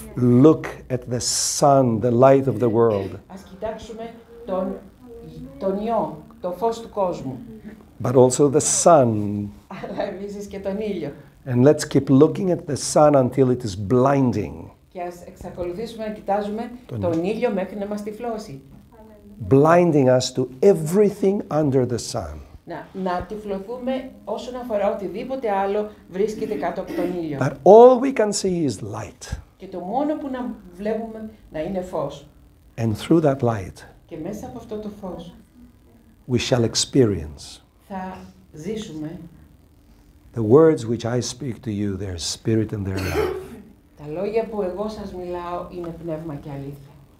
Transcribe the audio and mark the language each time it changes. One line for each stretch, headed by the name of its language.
English: look at the sun, the light of the world.
Greek: Ας κοιτάξουμε τον ιό, το φως του κόσμου.
English: But also the sun.
Greek: Αλλά επίσης και τον ήλιο.
English: And let's keep looking at the sun until it is blinding.
Greek: Και ας εξακολουθήσουμε να κοιτάζουμε τον ήλιο μέχρι να μας τυφλώσει.
English: Blinding us to everything under the sun.
Greek: Να τυφλωθούμε όσον αφορά οτιδήποτε άλλο βρίσκεται κάτω από τον ήλιο.
English: But all we can see is light.
Greek: Και το μόνο που να βλέπουμε να είναι φως.
English: And through that light,
Greek: και μέσα από αυτό το φως,
English: we shall experience.
Greek: Θα ζήσουμε.
English: The words which I speak to you, they are spirit and they are life.
Greek: Τα λόγια που εγώ σας μιλάω είναι πνεύμα και αλήθεια.